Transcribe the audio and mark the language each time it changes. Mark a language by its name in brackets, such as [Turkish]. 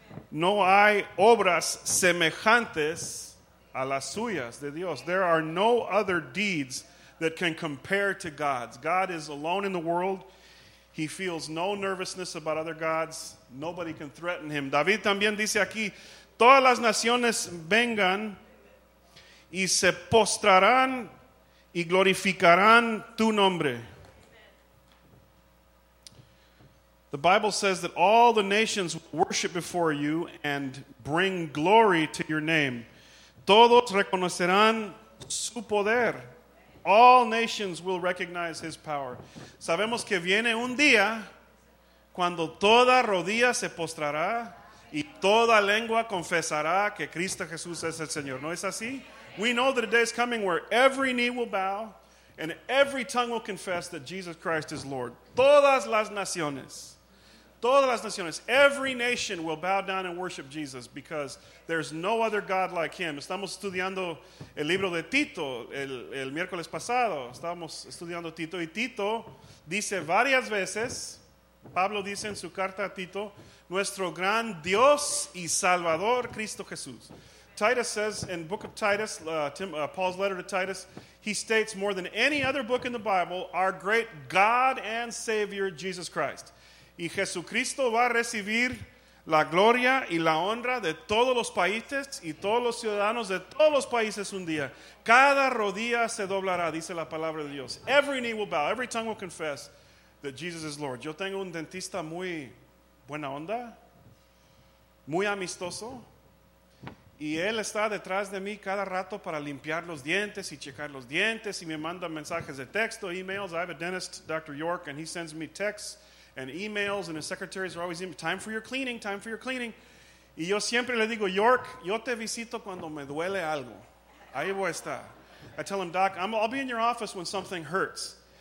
[Spanish] No hay obras semejantes a las suyas de Dios. [English] There are no other deeds that can compare to God's. God is alone in the world. He feels no nervousness about other gods. Nobody can threaten him. [Spanish] David también dice aquí, todas las naciones vengan y se postrarán y glorificarán tu nombre. [English] The Bible says that all the nations worship before you and bring glory to your name. [Spanish] Todos reconocerán su poder. [English] All nations will recognize his power. [Spanish] Sabemos que viene un día cuando toda rodilla se postrará y toda lengua confesará que Cristo Jesús es el Señor. ¿No es así? [English] We know that a day is coming where every knee will bow and every tongue will confess that Jesus Christ is Lord. [Spanish] Todas las naciones. Todas las naciones, [English] every nation will bow down and worship Jesus because there's no other God like him. [Spanish] Estamos estudiando el libro de Tito el miércoles pasado. Estábamos estudiando Tito y Tito dice varias veces, Pablo dice en su carta a Tito, nuestro gran Dios y Salvador, Cristo Jesús. [English] Titus says in the book of Titus, Paul's letter to Titus, he states more than any other book in the Bible, our great God and Savior, Jesus Christ. [Spanish] Y Jesucristo va a recibir la gloria y la honra de todos los países y todos los ciudadanos de todos los países un día. Cada rodilla se doblará, dice la palabra de Dios. [English] Every knee will bow, every tongue will confess that Jesus is Lord. [Spanish] Yo tengo un dentista muy buena onda, muy amistoso, y él está detrás de mí cada rato para limpiar los dientes y checar los dientes, y me manda mensajes de texto, emails. [English] I have a dentist, Dr. York, and he sends me texts and emails, and his secretaries are always in time for your cleaning, time for your cleaning. [Spanish] Y yo siempre le digo, York, yo te visito cuando me duele algo. Ahí voy a estar. [English] I tell him, Doc, I'll be in your office when something hurts.